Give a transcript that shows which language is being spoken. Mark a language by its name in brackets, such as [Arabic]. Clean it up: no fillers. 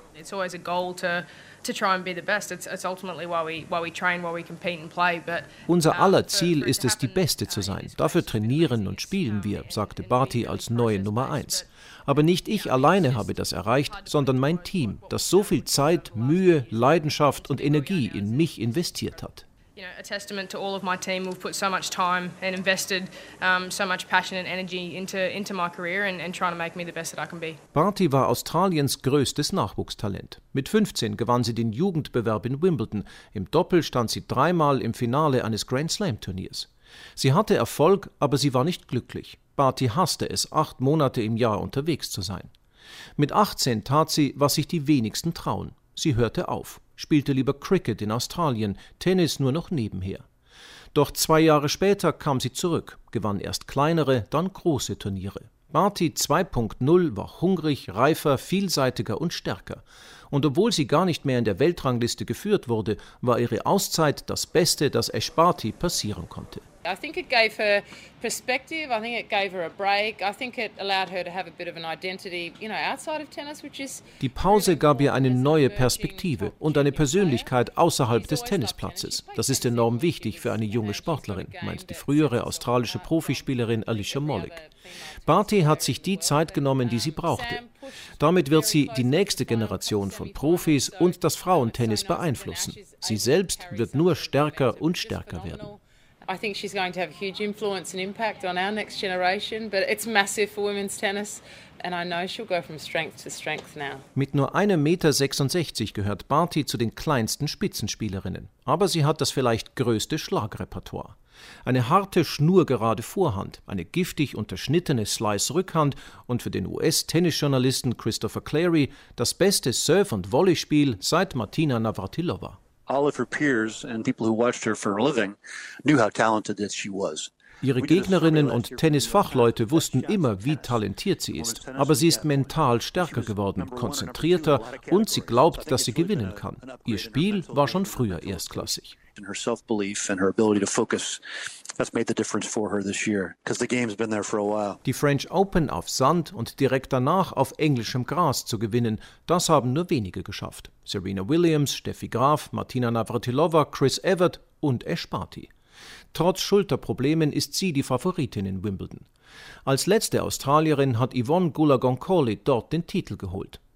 [English] It's always a goal to try and be the best. It's ultimately why we train, why we compete and play. But [German] unser aller Ziel ist es, die Beste zu sein. Dafür trainieren und spielen wir, sagte Barty als neue Nummer 1. Aber nicht ich alleine habe das erreicht, sondern mein Team, das so viel Zeit, Mühe, Leidenschaft und Energie in mich investiert hat. [English] You know, a testament to all of my team. We've put so much time and invested so much passion and energy into my career and trying to make me the best that I can be. [German] Barty war Australiens größtes Nachwuchstalent. Mit 15 gewann sie den Jugendbewerb in Wimbledon. Im Doppel stand sie dreimal im Finale eines Grand Slam Turniers. Sie hatte Erfolg, aber sie war nicht glücklich. Barty hasste es, 8 Monate im Jahr unterwegs zu sein. Mit 18 tat sie, was sich die wenigsten trauen. Sie hörte auf. Spielte lieber Cricket in Australien, Tennis nur noch nebenher. Doch 2 Jahre später kam sie zurück, gewann erst kleinere, dann große Turniere. Marty 2.0 war hungrig, reifer, vielseitiger und stärker. Und obwohl sie gar nicht mehr in der Weltrangliste geführt wurde, war ihre Auszeit das Beste, das Ash Barty passieren konnte. [English] I think it gave her perspective. I think it gave her a break. I think it allowed her to have a bit of an identity, you know, outside of tennis, which is. [German] Die Pause gab ihr eine neue Perspektive und eine Persönlichkeit außerhalb des Tennisplatzes. Das ist enorm wichtig für eine junge Sportlerin, meint die frühere australische Profispielerin Alicia Molik. Barty hat sich die Zeit genommen, die sie brauchte. Damit wird sie die nächste Generation von Profis und das Frauentennis beeinflussen. Sie selbst wird nur stärker und stärker werden. [English] I think she's going to have a huge influence and impact on our next generation, but it's massive for women's tennis and I know she'll go from strength to strength now. [German] Mit nur 1,66 Meter gehört Barty zu den kleinsten Spitzenspielerinnen, aber sie hat das vielleicht größte Schlagrepertoire. Eine harte, schnurgerade Vorhand, eine giftig unterschnittene Slice-Rückhand und für den US-Tennisjournalisten Christopher Clary das beste Surf- und Volley-Spiel seit Martina Navratilova. [English] All of her peers and people who watched her for a living knew how talented that she was. [German] Ihre Gegnerinnen und Tennisfachleute wussten immer, wie talentiert sie ist. Aber sie ist mental stärker geworden, konzentrierter und sie glaubt, dass sie gewinnen kann. Ihr Spiel war schon früher erstklassig. [English] And her self-belief and her ability to focus, that's made the difference for her this year, because the game's been there for a while. [German] Die French Open auf Sand und direkt danach auf englischem Gras zu gewinnen, das haben nur wenige geschafft. Serena Williams, Steffi Graf, Martina Navratilova, Chris Evert und Ash Barty. Trotz Schulterproblemen ist sie die Favoritin in Wimbledon. Als letzte Australierin hat Yvonne Goolagong-Cawley dort den Titel geholt.